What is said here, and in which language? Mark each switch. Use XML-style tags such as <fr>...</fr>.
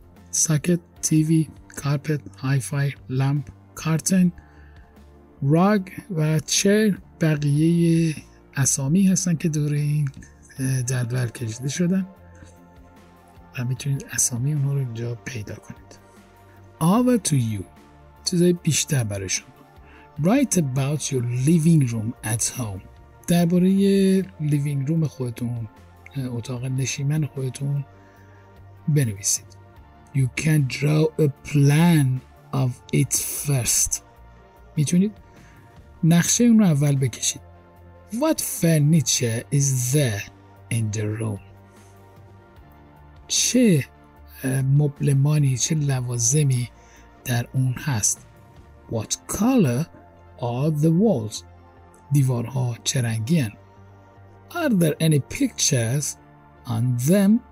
<fa>ساکت تیوی کارپت های فای لامپ کارتن راگ و چر بقیه اسامی هستن که دور این جدول کشیده شدن و میتونید اسامی اونها رو اینجا پیدا کنید.</fa> <en>Over to you.</en> <fa>چیزای بیشتر برای شما.</fa> <en>Write about your living room at home.</en> <fa>درباره living room خودتون اتاق نشیمن خودتون بنویسید.</fa> <en>You can draw a plan of it first.</en> <fa>میتونید نقشه اون رو اول بکشید.</fa> <en>What furniture is there in the room?</en> <fa>چه مبلمانی چه لوازمی در اون هست.</fa> <en>What color are the walls?</en> <fa>دیوارها چه رنگی هن؟</fa> <en>Are there any pictures on them?</en>